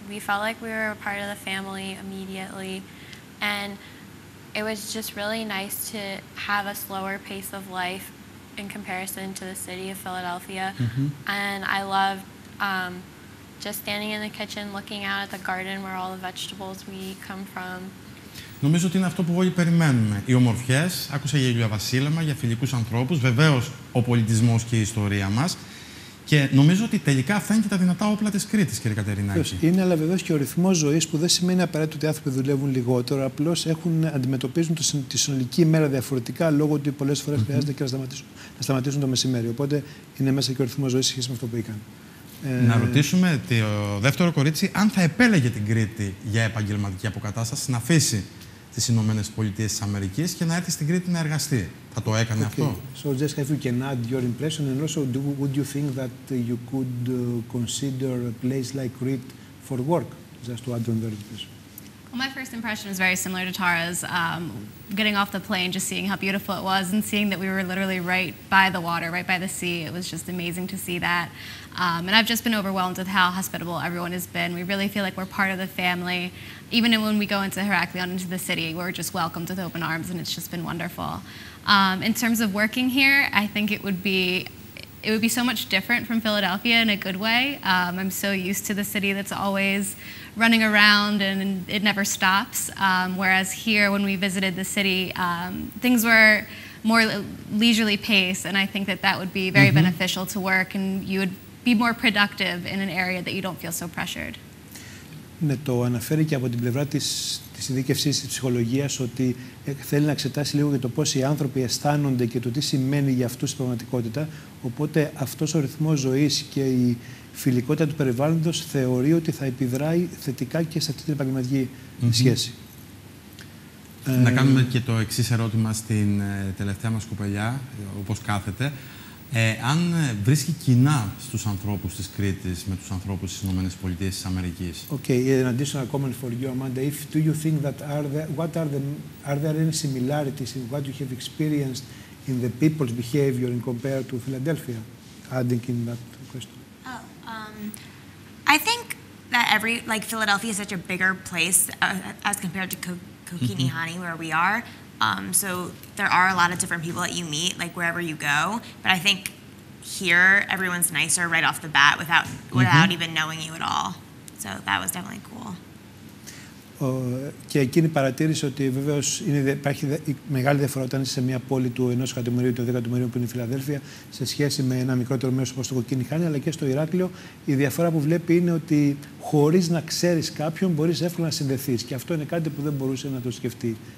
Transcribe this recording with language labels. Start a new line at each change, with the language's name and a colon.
English: We felt like we were a part of the family immediately, and it was just really nice to have a slower pace of life in comparison to the city of Philadelphia. And I loved just standing in the kitchen, looking out at the garden where all the vegetables we come from.
Greek: Νομίζω ότι είναι αυτό που όλοι περιμένουμε. Οι ομορφιές, άκουσα για ηλιο βασίλεμα, για φιλικούς ανθρώπους, βεβαίως ο πολιτισμός και η ιστορία μας. Και νομίζω ότι τελικά αυτά είναι και τα δυνατά όπλα της Κρήτης, κύριε Κατερινάκη. Είναι, αλλά βεβαίως και ο ρυθμός ζωής, που δεν σημαίνει απαραίτητο ότι οι άνθρωποι δουλεύουν λιγότερο, απλώς αντιμετωπίζουν τη συνολική ημέρα διαφορετικά, λόγω ότι πολλές φορές χρειάζεται και να σταματήσουν το μεσημέρι. Οπότε είναι μέσα και ο ρυθμός ζωής σε σχέση με αυτό που είχαν. Να ρωτήσουμε το δεύτερο κορίτσι αν θα επέλεγε την Κρήτη για επαγγελματική αποκατάσταση, να αφήσει τις Ηνωμένες Πολιτείες της Αμερικής και να έρθει στην Κρήτη να εργαστεί. Θα το έκανε αυτό?
English: So, Jessica, if you can add your impression, and also, would you think that you could consider a place like Crete for work, just to add on the impression? Well, my first impression was very similar to Tara's. Getting off the plane, just seeing how beautiful it was and seeing that we were literally right by the water, right by the sea. It was just amazing to see that. And I've just been overwhelmed with how hospitable everyone has been. We really feel like we're part of the family. Even when we go into Heraklion, into the city, we're just welcomed with open arms, and it's just been wonderful. In terms of working here, I think it would be so much different from Philadelphia in a good way. I'm so used to the city that's always running around and it never stops. Whereas here, when we visited the city, things were more leisurely pace, and I think that would be very beneficial to work, and you would be more productive in an area that you don't feel so pressured.
Greek: Ναι, το αναφέρει και από την πλευρά της ειδίκευσης της ψυχολογίας, ότι θέλει να εξετάσει λίγο και το πώς οι άνθρωποι αισθάνονται και το τι σημαίνει για αυτούς η πραγματικότητα. Οπότε αυτός ο ρυθμός ζωής και η φιλικότητα του περιβάλλοντος θεωρεί ότι θα επιδράει θετικά και σε αυτή την επαγγελματική σχέση. Να κάνουμε και το εξής ερώτημα στην τελευταία μας κοπελιά, όπως κάθεται. Αν βρίσκει κοινά στους ανθρώπους της Κρήτης με τους ανθρώπους της Ηνωμένης Πολιτείας της Αμερικής.
English: Okay, an additional comment for you, Amanda. Are there any similarities in what you have experienced in the people's behavior in compared to Philadelphia? Adding in that question. I think that Philadelphia is such a bigger place as compared to Kokinihani, where we are. So there are a lot of different people that you meet, like wherever you go. But I think here, everyone's nicer right off the bat without even knowing you at all. So that was definitely cool.
Greek: Και εκείνη παρατήρησε ότι βεβαίως υπάρχει μεγάλη διαφορά όταν είσαι σε μια πόλη του 1 εκατομμυρίου ή 2 εκατομμυρίου που είναι η Φιλαδέλφια, σε σχέση με ένα μικρότερο μέρος όπως το Κοκκινιχάνι, αλλά και στο Ηράκλειο. Η διαφορά που βλέπει είναι ότι χωρίς να ξέρεις κάποιον, μπορείς εύκολα να συνδεθείς. Και αυτό είναι κάτι που δεν μπορούσε να το σκεφτεί